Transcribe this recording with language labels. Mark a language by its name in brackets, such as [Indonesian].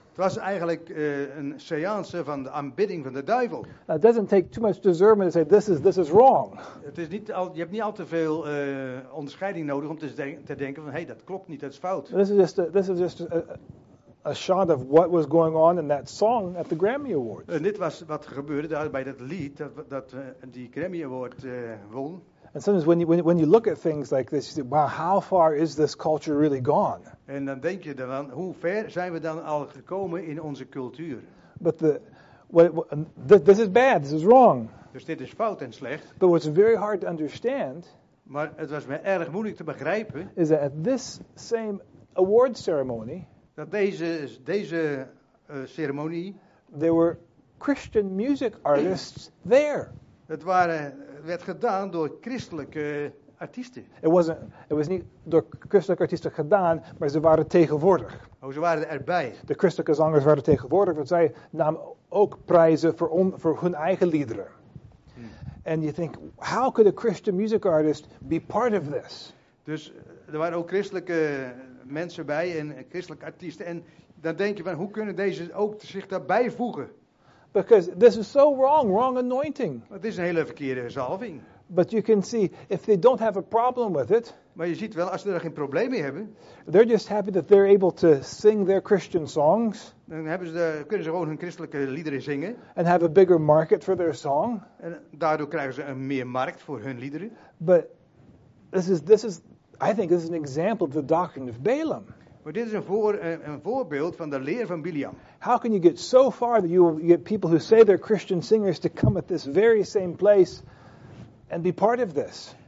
[Dutch] Het was eigenlijk een séance van de aanbidding van de duivel. [English] It doesn't take too much discernment to say this is wrong. [Dutch] Het is niet al, je hebt niet al te veel onderscheiding nodig om te denken van hey, dat klopt niet, dat is fout. [English] This is just a shot of what was going on in that song at the Grammy Awards. [Dutch] En dit was wat gebeurde daar bij dat lied dat die Grammy Award won. [English] And sometimes when you look at things like this, you say, wow, how far is this culture really gone? [Dutch] En dan denk je dan, hoe ver zijn we dan al gekomen in onze cultuur? [English] But this is bad, this is wrong. [Dutch] Dus dit is fout en slecht. [English] But what's very hard to understand, [Dutch] maar het was me erg moeilijk te begrijpen, [English] is that at this same award ceremony, [Dutch] dat deze ceremonie, [English] there were Christian music artists there. [Dutch] Het waren, werd gedaan door christelijke artiesten. It was niet door christelijke artiesten gedaan, maar ze waren tegenwoordig. Oh, ze waren erbij. De christelijke zangers waren tegenwoordig, want zij namen ook prijzen voor hun eigen liederen. En je denkt, [English] how could a Christian music artist be part of this? [Dutch] Dus er waren ook christelijke mensen bij en christelijke artiesten. En dan denk je van, hoe kunnen deze ook zich daarbij voegen? [English] Because this is so wrong anointing. [Dutch] Het is een hele verkeerde zalving. [English] But you can see, if they don't have a problem with it. [Dutch] Maar je ziet wel, als ze er geen probleem mee hebben. [English] They're just happy that they're able to sing their Christian songs. [Dutch] Dan hebben ze kunnen ze gewoon hun christelijke liederen zingen. [English] And have a bigger market for their song. [Dutch] En daardoor krijgen ze een meer markt voor hun liederen. [English] But I think this is an example of the doctrine of Balaam. [Dutch] Maar dit is een voorbeeld van de leer van Bileam. [English] How can you get so far that you get people who say they're Christian singers to come at this very same place and be part of this?